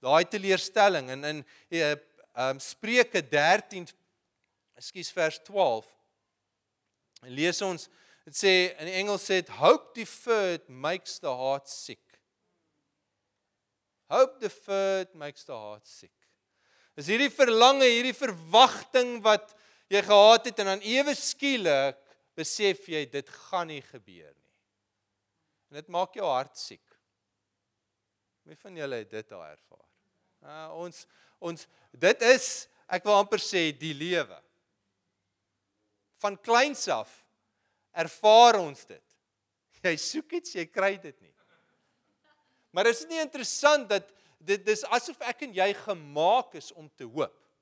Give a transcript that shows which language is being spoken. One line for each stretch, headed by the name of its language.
Afrikaans: Daai teleurstelling, en in Spreuke 13, excuse, vers 12, en lees ons, het sê, in die Engels sê,
English: hope deferred makes the heart sick. Hope deferred makes the heart sick.
Afrikaans: Is hierdie verlange, hierdie verwagting wat jy gehad het, en dan ewe skielik, besef jy, dit gaan nie gebeur nie. En dit maak jou hart siek. Wie van julle het dit al ervaar? Ons, dit is, ek wil amper sê, die lewe. Van kleins af, ervaar ons dit. Jy soek iets, jy kry dit nie. Maar is nie interessant dat, dit is asof ek en jy gemaak is om te hoop.